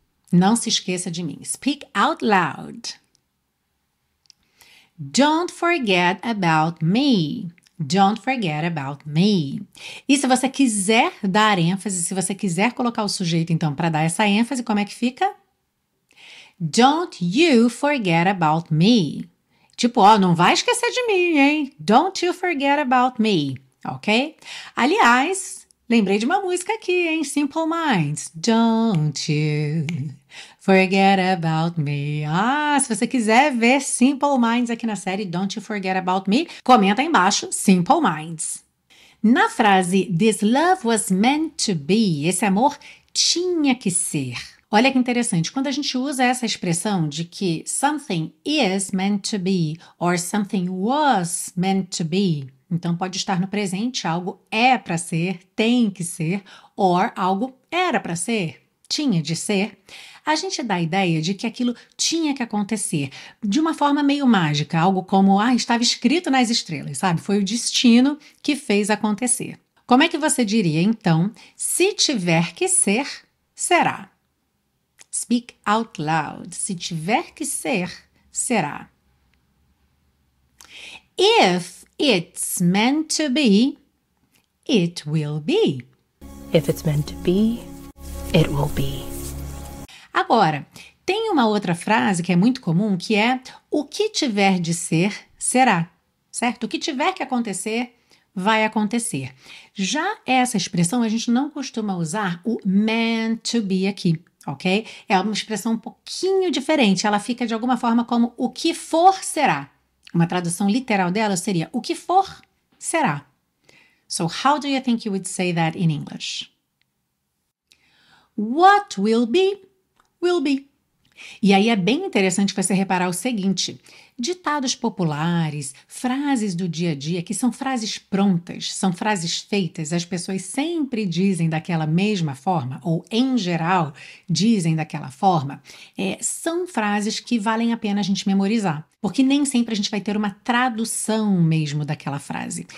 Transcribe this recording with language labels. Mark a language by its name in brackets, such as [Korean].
[Portuguese] Não se esqueça de mim. [English] Speak out loud. Don't forget about me. Don't forget about me. [Portuguese] E se você quiser dar ênfase, se você quiser colocar o sujeito, então, para dar essa ênfase, como é que fica? [English] Don't you forget about me. [Portuguese] Tipo, ó, não vai esquecer de mim, hein? [English] Don't you forget about me. Ok? [Portuguese] Aliás, lembrei de uma música aqui, hein? [English] Simple Minds. Don't you forget about me. [Portuguese] Ah, se você quiser ver Simple Minds aqui na série Don't You Forget About Me, comenta aí embaixo, Simple Minds. Na frase [English] This love was meant to be, [Portuguese] esse amor tinha que ser. Olha que interessante, quando a gente usa essa expressão de que [English] something is meant to be [Portuguese] or something was meant to be, então pode estar no presente, algo é para ser, tem que ser, or algo era para ser, tinha de ser, a gente dá a ideia de que aquilo tinha que acontecer de uma forma meio mágica, algo como, ah, estava escrito nas estrelas, sabe? Foi o destino que fez acontecer. Como é que você diria, então, se tiver que ser, será? [English] Speak out loud. [Portuguese] Se tiver que ser, será. [English] If it's meant to be, it will be. If it's meant to be, it will be. [Portuguese] Agora, tem uma outra frase que é muito comum, que é o que tiver de ser, será, certo? O que tiver que acontecer, vai acontecer. Já essa expressão, a gente não costuma usar o meant to be aqui, ok? É uma expressão um pouquinho diferente, ela fica de alguma forma como o que for, será. Uma tradução literal dela seria o que for, será. [English] So, how do you think you would say that in English? What will be, will be. [Portuguese] E aí é bem interessante você reparar o seguinte, ditados populares, frases do dia a dia, que são frases prontas, são frases feitas, as pessoas sempre dizem daquela mesma forma, ou em geral dizem daquela forma, são frases que valem a pena a gente memorizar, porque nem sempre a gente vai ter uma tradução mesmo daquela frase.